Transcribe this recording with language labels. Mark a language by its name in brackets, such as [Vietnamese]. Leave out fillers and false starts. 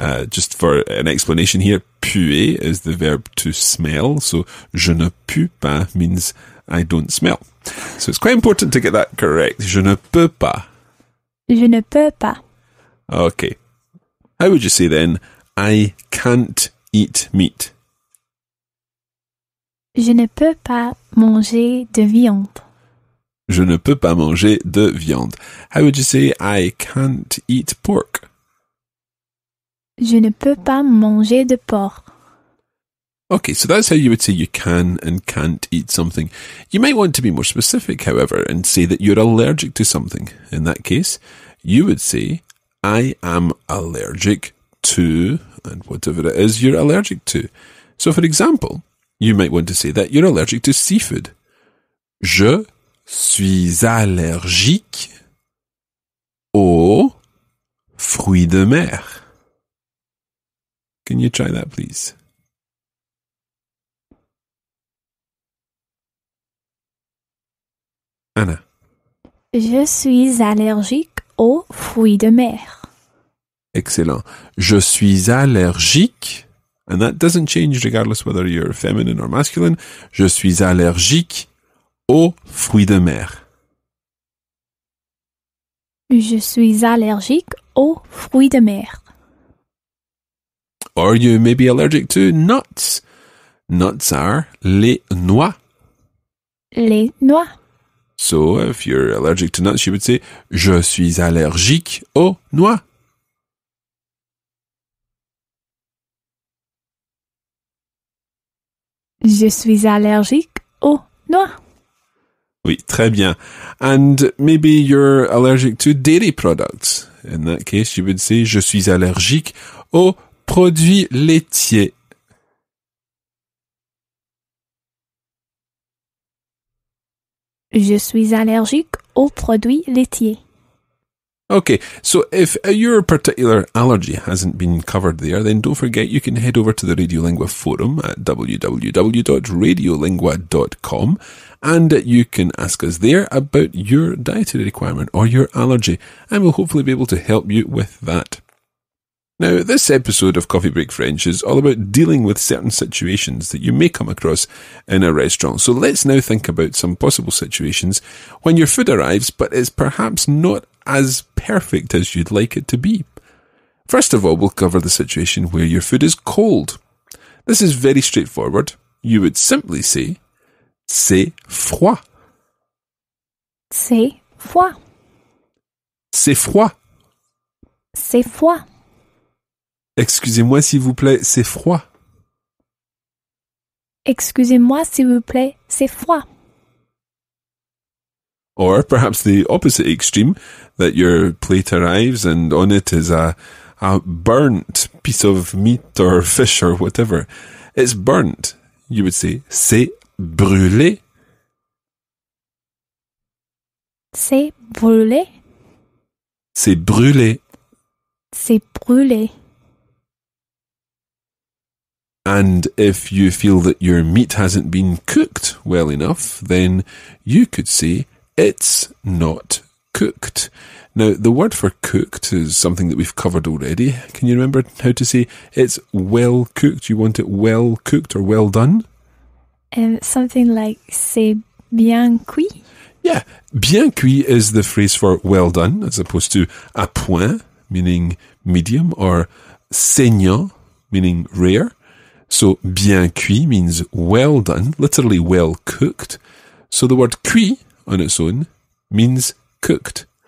[English] Just for an explanation here, puer is the verb to smell. So [French] je ne peux pas [English] means I don't smell. So it's quite important to get that correct. [French] Je ne peux pas. Je ne peux pas. [English] Okay. How would you say then I can't eat meat? [French] Je ne peux pas manger de viande. Je ne peux pas manger de viande. [English] How would you say I can't eat pork? [French] Je ne peux pas manger de porc. [English] Okay, so that's how you would say you can and can't eat something. You might want to be more specific, however, and say that you're allergic to something. In that case, you would say I am allergic to, and whatever it is you're allergic to. So, for example, you might want to say that you're allergic to seafood. [French] Je suis allergique aux fruits de mer. [English] Can you try that, please? Anna. [French] Je suis allergique aux fruits de mer. Excellent. Je suis allergique. [English] And that doesn't change regardless whether you're feminine or masculine. [French] Je suis allergique aux fruits de mer. Je suis allergique aux fruits de mer. [English] Or you may be allergic to nuts. Nuts are [French] les noix. Les noix. [English] So if you're allergic to nuts, you would say, [French] je suis allergique aux noix. Je suis allergique aux noix. Oui, très bien. [English] And maybe you're allergic to dairy products. In that case, you would say, [French] je suis allergique aux produits laitiers. Je suis allergique aux produits laitiers. [English] Okay, so if your particular allergy hasn't been covered there, then don't forget you can head over to the Radiolingua forum at www.radiolingua.com and you can ask us there about your dietary requirement or your allergy, and we'll hopefully be able to help you with that. Now, this episode of Coffee Break French is all about dealing with certain situations that you may come across in a restaurant. So let's now think about some possible situations when your food arrives, but it's perhaps not as perfect as you'd like it to be. First of all, we'll cover the situation where your food is cold. This is very straightforward. You would simply say, [French] c'est froid. C'est froid. C'est froid. C'est froid. Excusez-moi, s'il vous plaît, c'est froid. Excusez-moi, s'il vous plaît, c'est froid. [English] Or perhaps the opposite extreme, that your plate arrives and on it is a burnt piece of meat or fish or whatever. It's burnt. You would say, [French] c'est brûlé. C'est brûlé. C'est brûlé. C'est brûlé. [English] And if you feel that your meat hasn't been cooked well enough, then you could say, it's not cooked. Now, the word for cooked is something that we've covered already. Can you remember how to say it's well cooked? You want it well cooked or well done? Something like, [French] c'est bien cuit? [English] Yeah, bien cuit is the phrase for well done, as opposed to à point, meaning medium, or saignant, meaning rare. So, bien cuit means well done, literally well cooked. So, the word cuit on its own means cooked.